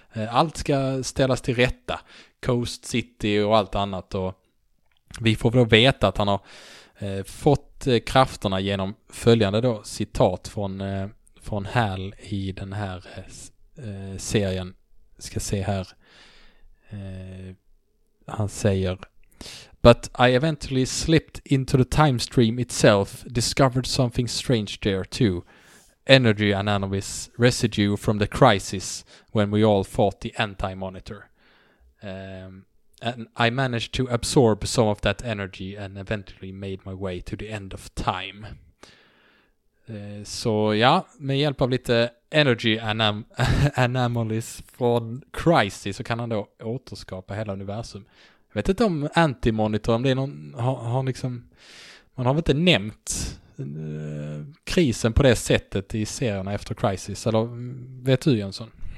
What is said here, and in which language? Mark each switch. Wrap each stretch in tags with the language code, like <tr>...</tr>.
<sv>Allt ska ställas till rätta. Coast City och allt annat. Och vi får väl veta att han har fått krafterna genom följande då citat från Hal i den här serien. Ska se här. Han säger:</sv> <en>"But I eventually slipped into the time stream itself, discovered something strange there too. Energy anomalies residue from the crisis when we all fought the anti-monitor. And I managed to absorb some of that energy and eventually made my way to the end of time."</en> <sv>Så ja, med hjälp av lite energy anomalies från crisis så kan han då återskapa hela universum. Jag vet inte om anti-monitor, om det är någon, har liksom, man har väl inte nämnt krisen på det sättet i serierna efter Crisis, eller vet du, Jönsson?</sv>